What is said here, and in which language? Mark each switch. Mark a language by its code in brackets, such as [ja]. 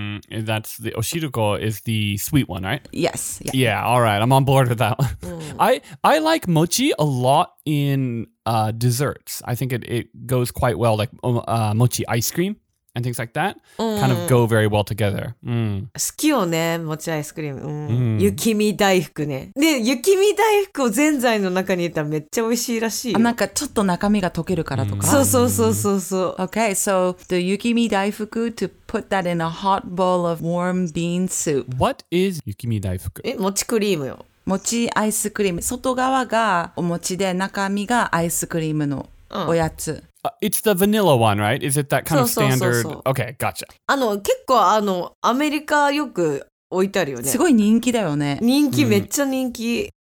[en] That's the oshiruko is the sweet one, right? Yes. Yeah. Yeah, all right. I'm on board with that one. I like mochi a lot in desserts. I think it goes quite well, like mochi ice cream. And things like that kind of go very well together. [ja] 好きよね、もちアイスクリーム。雪見大福ね。で、雪見大福をぜんざいの中に入れたらめっちゃ美味しいらしいよ。あ、なんかちょっと中身が溶けるからとか。そうそうそうそうそう。 [en] Okay, so the 雪見大福 to put that in a hot bowl of warm bean soup. What is 雪見大福？ [ja] え、もちクリームよ。もちアイスクリーム。外側がお餅で中身がアイスクリームのおやつ。 [en] It's the vanilla one, right? Is it that kind of standard? Okay, gotcha. [ja] あの、結構あの、アメリカよく置いてあるよね。すごい人気だよね。人気、めっちゃ人気。